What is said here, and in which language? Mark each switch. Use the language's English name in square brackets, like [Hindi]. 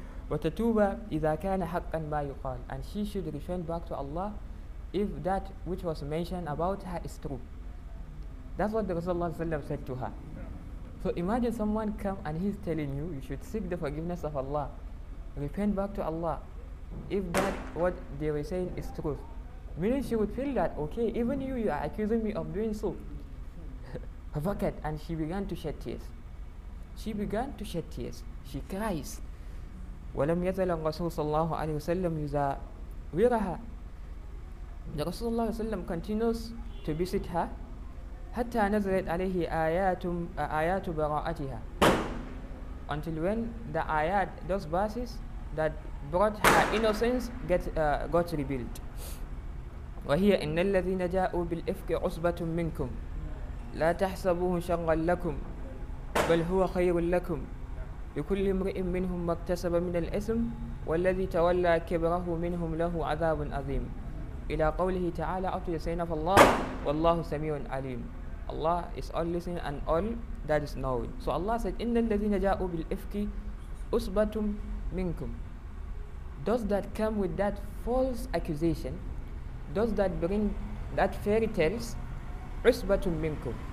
[Arabic] وَتَتُوبَ إِذَا كَانَ حَقًا مَا يُقَالُ. [English] And she should return back to Allah if that which was mentioned about her is true. That's what the Rasulullah said to her. So imagine someone come and he's telling you, you should seek the forgiveness of Allah. Repent back to Allah. If that what they were saying is true. Meaning she would feel that, okay, even you are accusing me of doing so. Fakat. And she began to shed tears. She cries. [Arabic] وَلَمْ يَزَلَ الرَّسُولُ صَلَّى اللَّهُ عَلَيْهُ وَسَلَّمُ يُزَاوِرَهَا. [English] The Rasulullah continues to visit her. [Arabic] حتى نزلت عليه آيات براءتها. [English] Until when the ayat, those verses that brought her innocence got revealed. [Arabic] وهي إن الذين جاءوا بالإفك عصبة منكم لا تحسبوه شرا لكم بل هو خير لكم لكل امرئ منهم ما اكتسب من الإثم والذي تولى كبره منهم له عذاب عظيم إلى قوله تعالى أطيع سينا فالله والله سميع عليم. [English] Allah is all listening and all that is knowing. So Allah said, [Arabic] "Inna alladhina ja'u bil ifki usbatum minkum." [English] does that come with that false accusation? Does that bring that fairy tales? [Arabic] Usbatun minkum.